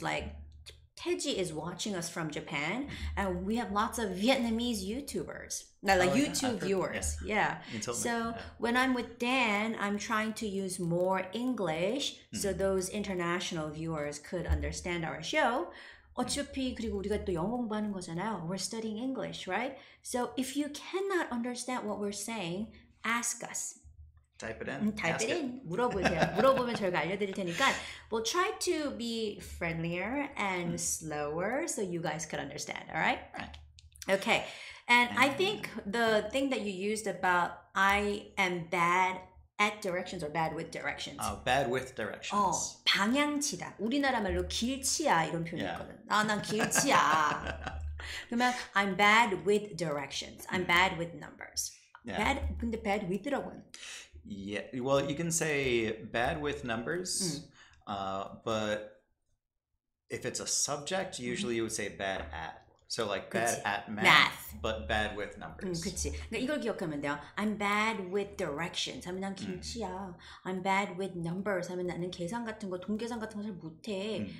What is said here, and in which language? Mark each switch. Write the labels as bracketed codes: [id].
[en] Like, Teji is watching us from Japan, and we have lots of Vietnamese YouTubers. YouTube viewers. Heard, yeah. So, when I'm with Dan, I'm trying to use more English so those international viewers could understand our show. [ko] 어차피 그리고 우리가 또 영어 공부하는 거잖아요. [en] We're studying English, right? So, if you cannot understand what we're saying, ask us. Type it in. Type it in. [ko] 물어보세요. 물어보면 저희가 알려드릴 테니까. [en] We'll try to be friendlier and slower so you guys can understand. All right? Okay. And I think the thing that you used about I am bad at directions or bad with directions. Bad with directions. [ko] 방향치다. 우리나라 말로 길치야 이런 표현이거든. [en] Yeah. [ko] 아, 난 길치야. 그러면 [en] I'm bad with directions. I'm bad with numbers. Yeah. [ko] Bad, 근데 bad with라고는? [en] Yeah, well, you can say bad with numbers, but if it's a subject, usually you would say bad at. So like bad [ko] 그치. [en] at math, but bad with numbers. [ko] 그치. 그러니까 이걸 기억하면 돼요. [en] I'm bad with directions. [ko] 하면 난 김치야. [en] I'm bad with numbers. [ko] 하면 나는 계산 같은 거, 동계산 같은 거 잘 못해.